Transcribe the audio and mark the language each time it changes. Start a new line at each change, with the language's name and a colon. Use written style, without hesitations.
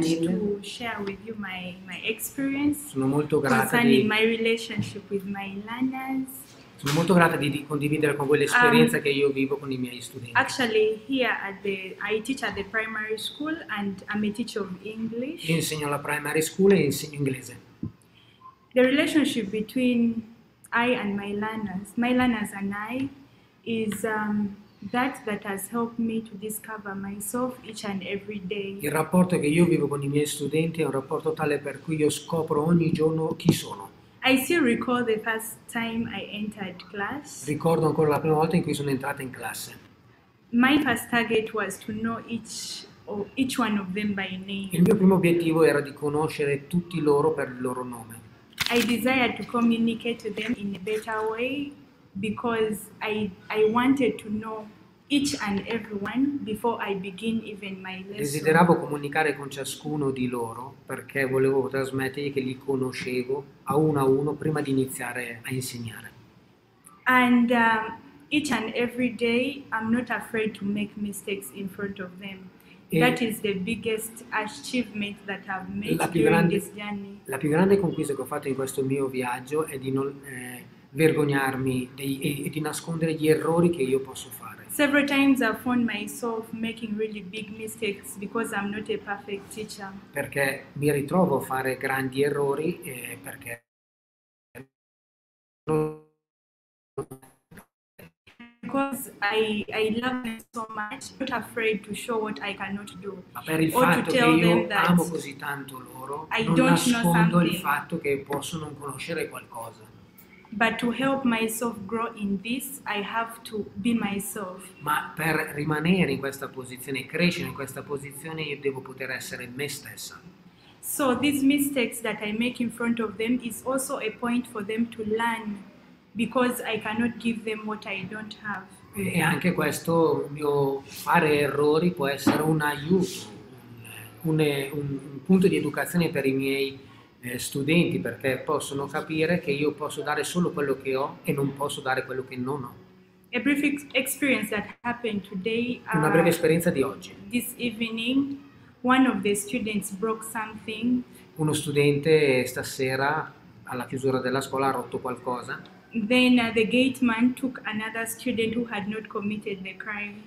English: to share with you my experience.
Italian: Sono molto grata
English: concerning my relationship with my learners.
Italian: Sono molto grata di condividere con voi l'esperienza che io vivo con i miei studenti.
English: Actually, here at the I teach at the primary school and I'm a teacher of English.
Italian: Io insegno alla primary school e insegno inglese.
English: The relationship between I and my learners and I, is that has helped me to discover myself each and every day.
Italian: Il rapporto che io vivo con i miei studenti è un rapporto tale per cui io scopro ogni giorno chi sono.
English: I still recall the first time I entered class.
Italian: Ricordo ancora la prima volta in cui sono entrata in classe.
English: My first target was to know each one of them by name.
Italian: Il mio primo obiettivo era di conoscere tutti loro per il loro nome.
English: I desired to communicate to them in a better way because I wanted to know each and everyone before I begin even my lesson.
Italian: Desideravo comunicare con ciascuno di loro perché volevo trasmettergli che li conoscevo a uno prima di iniziare a insegnare.
English: And each and every day I'm not afraid to make mistakes in front of them. That is the biggest achievement that I've made during this journey.
Italian: La più grande conquista che ho fatto in questo mio viaggio è di non vergognarmi e di nascondere gli errori che io posso fare.
English: Several times I found myself making really big mistakes because I'm not a perfect teacher.
Italian: Perché mi ritrovo a fare grandi errori e perché
English: because I love them so much, I'm not afraid to show what I cannot do.
Italian: Ma per il fatto che io amo così tanto loro,
English: I
Italian: non nascondo il fatto che posso non conoscere qualcosa.
English: But to help myself grow in this, I have to be myself.
Italian: Ma per rimanere in questa posizione, crescere in questa posizione, io devo poter essere me stessa.
English: So these mistakes that I make in front of them is also a point for them to learn, because I cannot give them what I don't have.
Italian: E anche questo mio fare errori può essere un aiuto, un punto di educazione per i miei studenti, perché possono capire che io posso dare solo quello che ho e non posso dare quello che non ho.
English: A brief experience that happened today,
Italian: una breve esperienza di oggi.
English: This evening, one of the students broke something.
Italian: Uno studente stasera alla chiusura della scuola ha rotto qualcosa.
English: Then the gate man took another student who had not committed the crime.